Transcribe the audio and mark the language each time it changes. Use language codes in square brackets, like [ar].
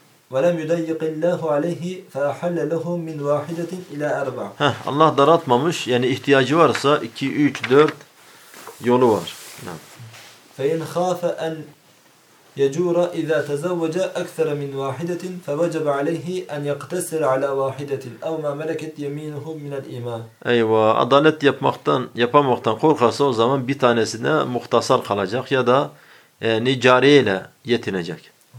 [ar] ولم يضيق الله عليه فحل له من واحده الى اربع [tr] Allah daraltmamış yani ihtiyacı varsa 2 3 4 yolu var nam [ar] فإن خاف ان يجور اذا تزوج اكثر من واحده فوجب عليه ان يقتصر على واحده او ما ملكت يمينه من الايمان [tr] ايوه adalet yapamaktan korkarsa o zaman bir tanesine muhtasar kalacak ya da yani cariyeyle yetinecek